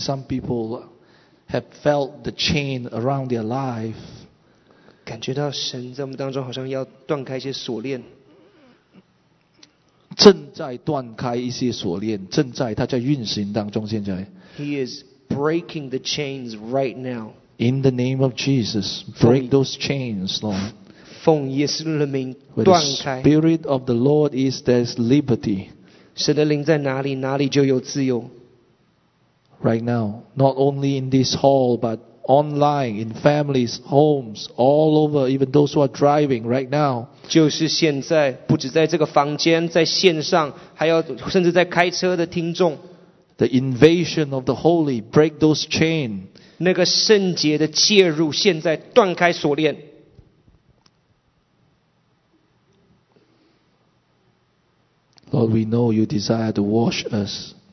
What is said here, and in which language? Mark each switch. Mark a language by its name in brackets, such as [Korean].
[English] Some people have felt the chain around their life. [Chinese] 感觉到神在我们当中好像要断开一些锁链。正在断开一些锁链，正在他在运行当中。现在 [English] ，He is breaking the chains right now. In the name of Jesus, break those chains, Lord. [Chinese] 奉耶稣的名断开。 [English] The Spirit of the Lord is there's liberty. [Chinese] 神的灵在哪里，哪里就有自由。 [English] Right now, not only in this hall, but online, in families, homes, all over, even those who are driving right now. [Chinese] 就是现在，不止在这个房间，在线上，还有甚至在开车的听众。 [English] The invasion of the holy, break those chains. [Chinese] 那个圣洁的介入，现在断开锁链。 [English] Lord, we know you desire to wash us.